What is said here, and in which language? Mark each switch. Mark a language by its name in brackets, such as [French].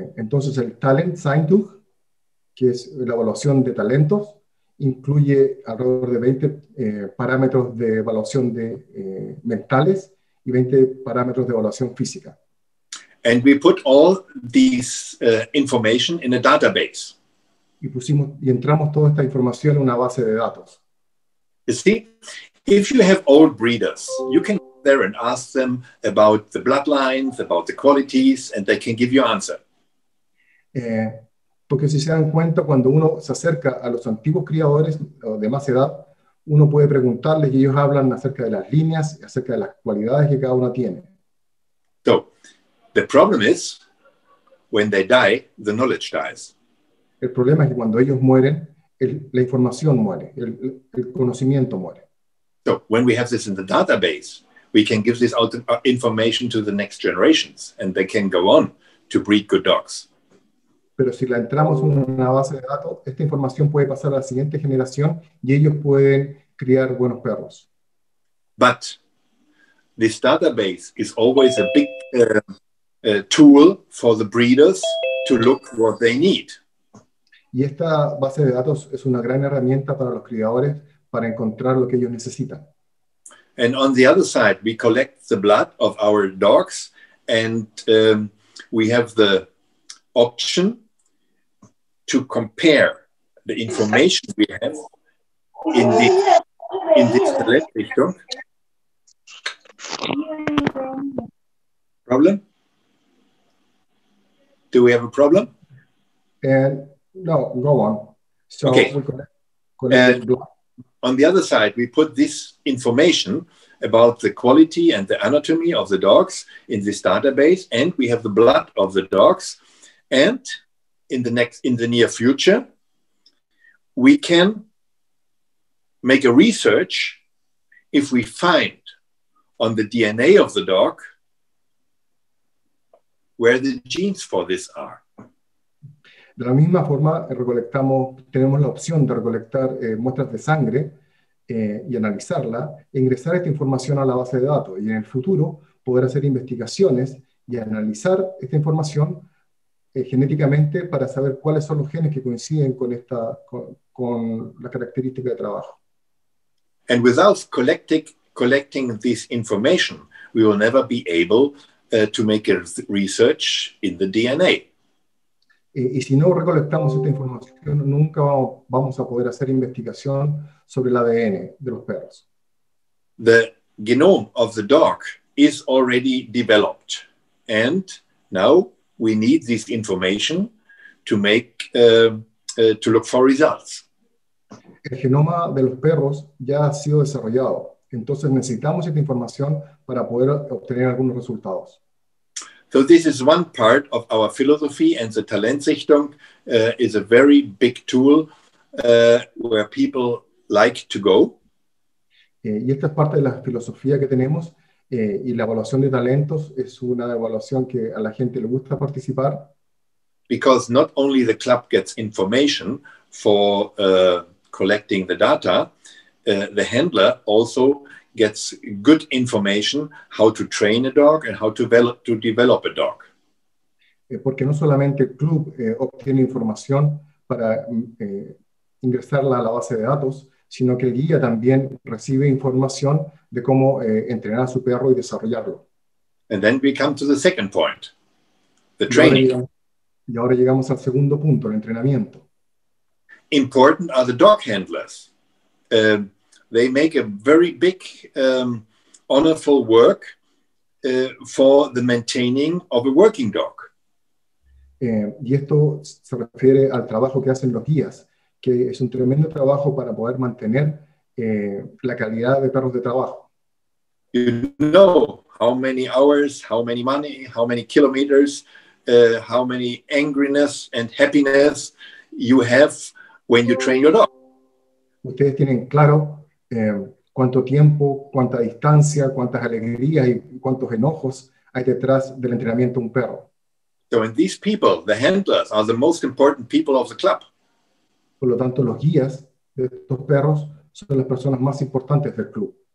[Spanish] Entonces el Talentsichtung, que es la evaluación de talentos, incluye alrededor de 20 parámetros de evaluación de mentales y 20 parámetros de evaluación física. [English] And we put all these information in a database. [Spanish] Y entramos toda esta información en una base de datos. [English] You see, if you have old breeders, you can go there and ask them about the bloodlines, about the qualities, and they can give you answer. [Spanish] Porque si se dan cuenta, cuando uno se acerca a los antiguos criadores de más edad, uno puede preguntarles y ellos hablan acerca de las líneas, acerca de las cualidades que cada uno tiene. [English] So, the problem is, when they die, the knowledge dies. [Spanish] El problema es que cuando ellos mueren, la información muere, el conocimiento muere. [English] So, when we have this in the database, we can give this information to the next generations and they can go on to breed good dogs. [Spanish] Pero si la entramos en una base de datos, esta información puede pasar a la siguiente generación y ellos pueden criar buenos perros. [English] But this database is always a big tool for the breeders to look what they need. [Spanish] Y esta base de datos es una gran herramienta para los criadores para encontrar lo que ellos necesitan. [English] And on the other side, we collect the blood of our dogs and we have the option to compare the information we have in this selection. Problem? Do we have a problem? No, go on. So okay. On the other side, we put this information about the quality and the anatomy of the dogs in this database, and we have the blood of the dogs, and in the near future, we can make a research if we find on the DNA of the dog where the genes for this are. [Spanish] De la misma forma, tenemos la opción de recolectar muestras de sangre y analizarla, e ingresar esta información a la base de datos, y en el futuro poder hacer investigaciones y analizar esta información genéticamente para saber cuáles son los genes que coinciden con la característica de trabajo. [English] And without collecting this information, we will never be able to make a research in the DNA. [Spanish] Y si no recolectamos esta información, nunca vamos a poder hacer investigación sobre el ADN de los perros. [English] The genome of the dog is already developed, and now we need this information to look for results. [Spanish] El genoma de los perros ya ha sido desarrollado, entonces necesitamos esta información para poder obtener algunos resultados. [English] So this is one part of our philosophy, and the Talentsichtung is a very big tool where people like to go. [Spanish] Y esta es parte de la filosofía que tenemos, y la evaluación de talentos es una evaluación que a la gente le gusta participar. [English] Because not only the club gets information for collecting the data, the handler also gets good information how to train a dog and how to develop a dog. [Spanish] Porque no solamente el club obtiene información para ingresarla a la base de datos, sino que el guía también recibe información de cómo entrenar a su perro y desarrollarlo. [English] And then we come to the second point, the training. [Spanish] Y ahora llegamos al segundo punto, el entrenamiento. [English] Important are the dog handlers. They make a very big honorful work for the maintaining of a working dog. [Spanish] Y esto se refiere al trabajo que hacen los guías, que es un tremendo trabajo para poder mantener la calidad de perros de trabajo. [English] You know how many hours, how many money, how many kilometers, how many angriness and happiness you have when you train your dog. [Spanish] Ustedes tienen claro cuánto tiempo, cuánta distancia, cuántas alegrías y cuántos enojos hay detrás del entrenamiento de un perro. [English] So in these people, the handlers are the most important people of the club. [Spanish] Por lo tanto, los guías de estos perros son las personas más importantes del club.